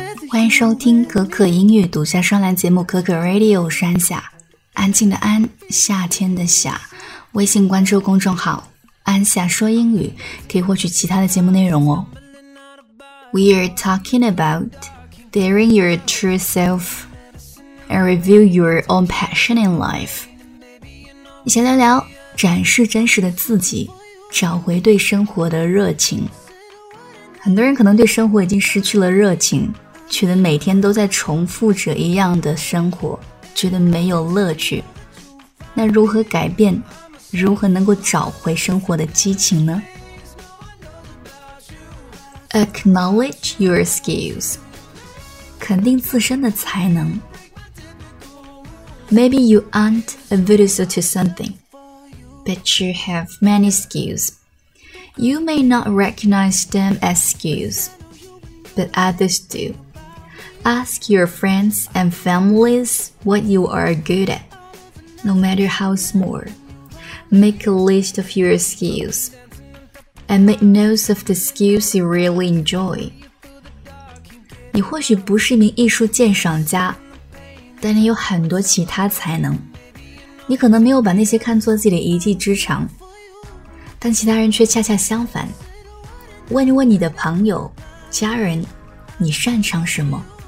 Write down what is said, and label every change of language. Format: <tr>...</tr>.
<zh>欢迎收听可可英语独家专栏节目可可 Radio 山下，安静的安，夏天的夏。微信关注公众号安夏说英语，可以获取其他的节目内容哦。</zh> <en>We are talking about daring your true self and reveal your own passion in life.</en> <zh>一起聊聊展示真实的自己，找回对生活的热情。很多人可能对生活已经失去了热情，觉得每天都在重复着一样的生活，觉得没有乐趣。那如何改变，如何能够找回生活的激情呢？</zh> <en>Acknowledge your skills，</en> <zh>肯定自身的才能。</zh> <en>Maybe you aren't a visitor to somethingBut you have many skills. You may not recognize them as skills, but others do. Ask your friends and families what you are good at, no matter how small. Make a list of your skills, and make notes of the skills you really enjoy.</en> <zh>你或许不是一名艺术鉴赏家，但你有很多其他才能。你可能没有把那些看作自己的一技之长，但其他人却恰恰相反。问一问你的朋友、家人，你擅长什么？</zh>